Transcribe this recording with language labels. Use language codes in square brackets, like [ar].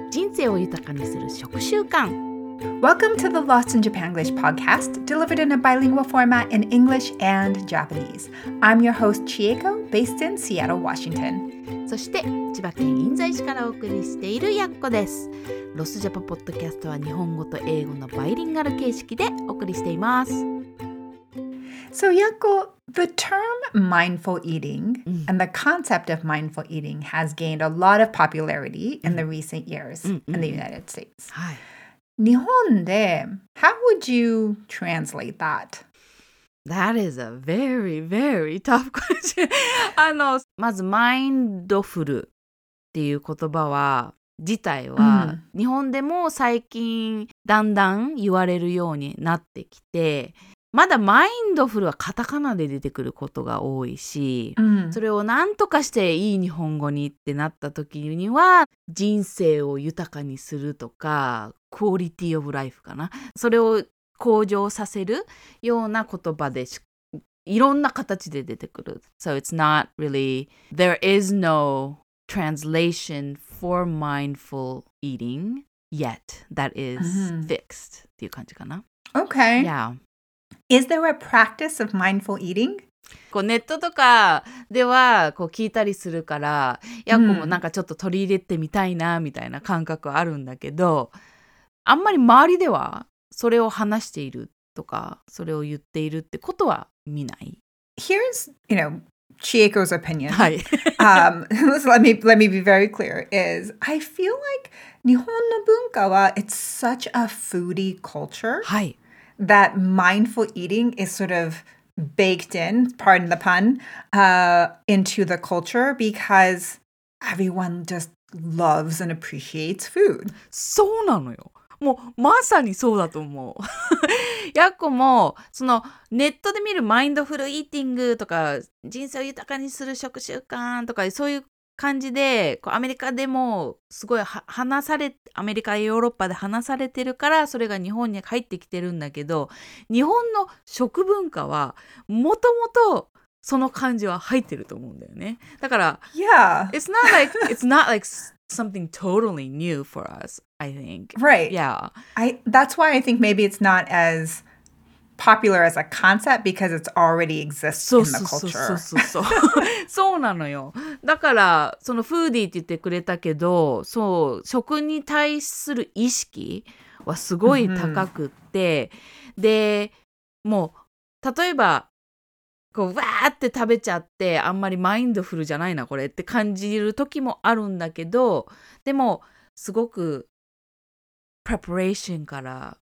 [ja] 人生を豊かにする食習慣。 [en] Welcome to the Lost in Japan English podcast, delivered in a bilingual format in English and Japanese. I'm your host, Chieko, based in Seattle, Washington. [ja] そして、千葉県印西市からお送りしているやっこです。ロスジャパポッドキャストは日本語と英語のバイリンガル形式でお送りしています。 [en] So, Yako, the term mindful eating and the concept of mindful eating has gained a lot of popularity in the recent years in the United States. [ja] Nihonde, [en] how would you translate that? That is a very, very tough question. [ja] まず、mindful っていう言葉は自体は日本でも最近だんだん言われるようになってきて、まだマインドフルはカタカナで出てくることが多いし、それをなんとかしていい日本語にってなった時には、人生を豊かにするとか、クオリティオブライフかな。それを向上させるような言葉でし、いろんな形で出てくる。 [en] So it's not really, there is no translation for mindful eating yet that is fixed [ja] っていう感じかな。 [en] Okay. Yeah. Is there a practice of mindful eating? [ja] こうネットとかではこう聞いたりするから、やっこもなんかちょっと取り入れてみたいなみたいな感覚あるんだけど、あんまり周りではそれを話しているとか、それを言っているってことは見ない。 [en] Here's, you know, Chieko's opinion. [ja] はい。 [en] let me be very clear. Is I feel like [ja] 日本の文化は [en] it's such a foodie culture. [ja] はい。 [en] That mindful eating is sort of baked in, pardon the pun, into the culture because everyone just loves and appreciates food. [ja] そうなのよ。もうまさにそうだと思う。やっこもそのネットで見るマインドフルイーティングとか人生を豊かにする食習慣とかそういう感じでこうアメリカでもすごい話されアメリカやヨーロッパで話されてるからそれが日本に入ってきてるんだけど日本の食文化はもともとその感じは入ってると思うんだよねだから [en] Yeah It's not like it's not like something totally new for us I think Right Yeah That's why I think maybe it's not as popular as a concept because it's already exists in the culture. [ja] そうそうそうそうなのよ。だからそのフーディーって言ってくれたけど、そう食に対する意識はすごい高くって、で、もう例えばこうわーって食べちゃってあんまりマインドフルじゃないなこれって感じる時もあるんだけど、でもすごくpreparationから。